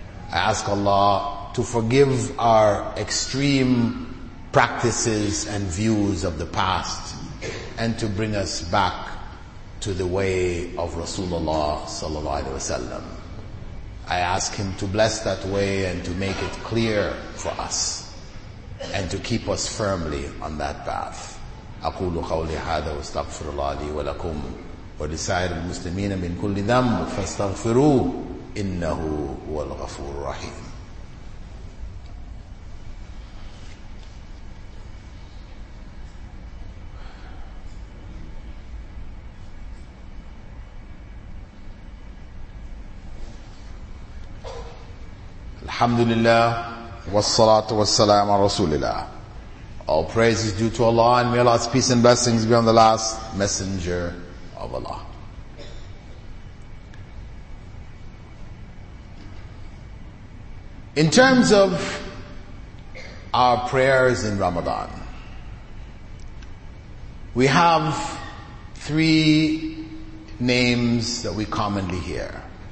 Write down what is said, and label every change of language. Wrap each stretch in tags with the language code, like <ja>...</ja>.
<en>I ask Allah to forgive our extreme practices and views of the past and to bring us back to the way of Rasulullah sallallahu alaihi wasallam. I ask him to bless that way and to make it clear for us and to keep us firmly on that path.</en> <ar>أقول قولي هذا واستغفر الله لي ولكم ولسائر المسلمين من كل ذنب فاستغفروه إنه هو الغفور الرحيم. الحمد لله والصلاة والسلام على رسول الله.</ar> <en>All praise is due to Allah, and may Allah's peace and blessings be on the last messenger of Allah. In terms of our prayers in Ramadan, we have three names that we commonly hear.</en>